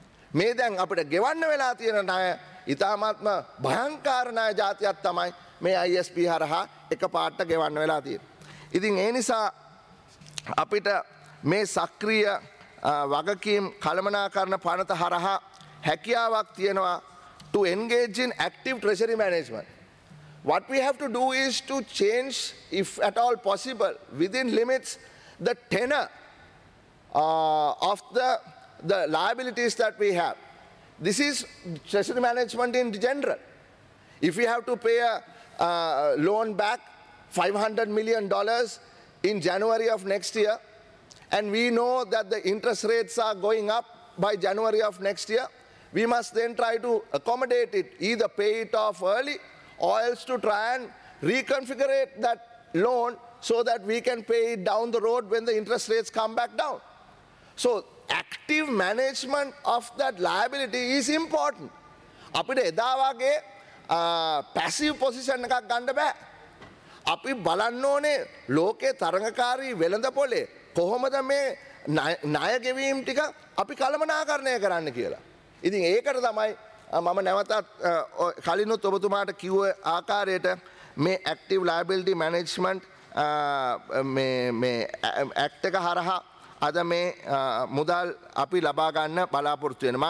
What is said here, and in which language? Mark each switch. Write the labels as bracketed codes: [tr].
[si] මේ දැන් අපිට ගෙවන්න වෙලා තියෙන ණය ඉතාමත්ම භයංකාර ණය જાතියක් තමයි මේ ISP හරහා එකපාරට ගෙවන්න වෙලා තියෙන්නේ. ඉතින් ඒ නිසා අපිට මේ සක්‍රීය වගකීම් කළමනාකරණ පනත හරහා හැකියාවක් තියෙනවා [en] to engage in active treasury management. What we have to do is to change, if at all possible, within limits, the tenor of the liabilities that we have. This is treasury management in general. If we have to pay a loan back $500 million in January of next year, and we know that the interest rates are going up by January of next year, we must then try to accommodate it, either pay it off early, or else to try and reconfigure that loan so that we can pay it down the road when the interest rates come back down. So active management of that liability is important. [si] අපිට එදා වගේ passive position එකක් ගන්න බෑ. අපි බලන්න ඕනේ ලෝකේ තරඟකාරී වෙළඳපොලේ කොහොමද මේ ණය ගෙවීම් ටික අපි කළමනාකරණය කරන්න කියලා. ඉතින් ඒකට තමයි මම නැවතත් කලිනුත් ඔබතුමාට කිව්ව ආකාරයට මේ active liability management මේ ඇක්ට් එක හරහා අද මේ මුදල් අපි ලබා ගන්න බලාපොරොත්තු වෙන.